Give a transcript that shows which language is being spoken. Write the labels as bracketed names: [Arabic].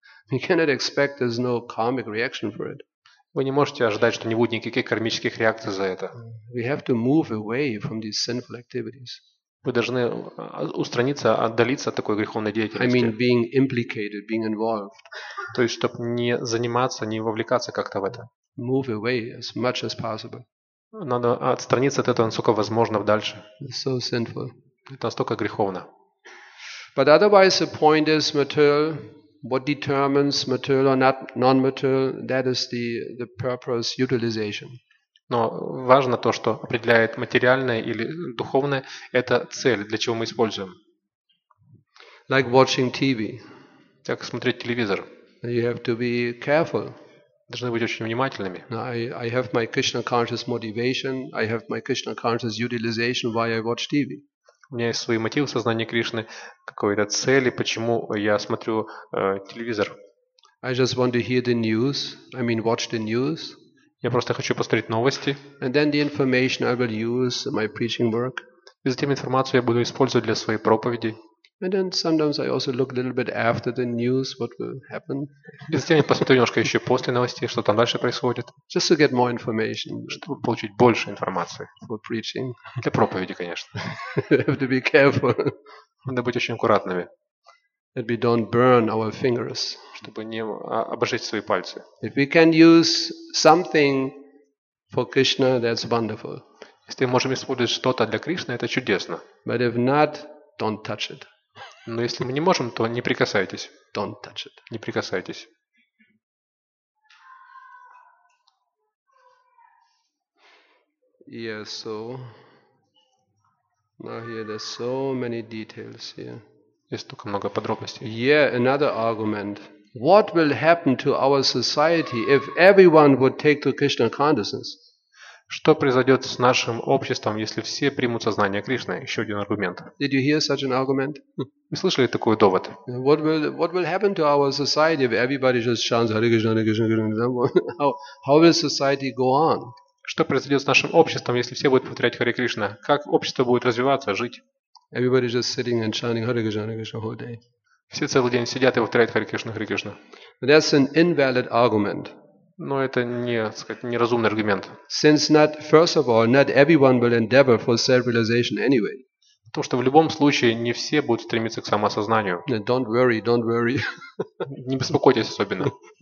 [English] You cannot expect there's no karmic reaction for it. [Russian] Вы не можете ожидать, что не будет никаких кармических реакций за это. [English] We have to move away from these sinful activities. [Russian] Вы должны устраниться, отдалиться от такой греховной деятельности. [English] I mean being implicated, being involved. [Russian] То есть, чтобы не заниматься, не вовлекаться как-то в это. [English] Move away as much as possible. [Russian] Надо отстраниться от этого, насколько возможно, дальше. [English] It's so sinful. [Russian] Это настолько греховно. [English] But otherwise the point is material. What determines material or not non-material? That is the purpose utilization. [Russian] Но важно то, что определяет материальное или духовное, это цель, для чего мы используем. [English] Like watching TV. [Russian] Как смотреть телевизор. [English] You have to be careful. [Russian] Должны быть очень внимательными. [English] I have my Krishna conscious motivation. I have my Krishna conscious utilization why I watch TV. [Russian] У меня есть свои мотивы сознания Кришны, какой-то цели, почему я смотрю телевизор. [English] I just want to hear the news. I mean watch the news. [Russian] Я просто хочу посмотреть новости. [English] And then the information I will use in my preaching work. [Russian] И затем информацию я буду использовать для своей проповеди. [English] And then sometimes I also look a little bit after the news, what will happen. [Russian] И затем я посмотрю немножко еще после новостей, что там дальше происходит. [English] Just to get more information. [Russian] Чтобы получить больше информации. [English] For preaching. [Russian] Для проповеди, конечно. [English] Have to be careful. [Russian] Надо быть очень аккуратными. [English] That we don't burn our fingers. [Russian] Чтобы не обожечь свои пальцы. [English] If we can use something for Krishna, that's wonderful. [Russian] Если мы можем использовать что-то для Кришны, это чудесно. [English] But if not, don't touch it. [Russian] Но если мы не можем, то не прикасайтесь. [English] Don't touch it. [Russian] Не прикасайтесь. [English] Yeah, so now here there's so many details here. [Russian] Есть только много подробностей. [English] Yeah, another argument. What will happen to our society if everyone would take to Krishna consciousness? [Russian] Что произойдет с нашим обществом, если все примут сознание Кришны? Еще один аргумент. [English] Did you hear such an argument? [Russian] Вы слышали такой довод? [English] What will happen to our society if everybody just chants Hare Krishna, Hare Krishna, Hare Krishna? How will society go on? [Russian] Что произойдет с нашим обществом, если все будут повторять Харе Кришна? Как общество будет развиваться, жить? [English] Everybody just sitting and chanting Hare Krishna, Hare Krishna whole day. [Russian] Все целый день сидят и повторяют Hare Krishna, Hare Krishna. [English] That's an invalid argument. [Russian] Но это не, так сказать, неразумный аргумент. [English] Since not, first of all, not everyone will endeavor for self-realization anyway. [Russian] Потому что в любом случае не все будут стремиться к самосознанию. [English] Don't worry, don't worry. [Russian] Не беспокойтесь особенно.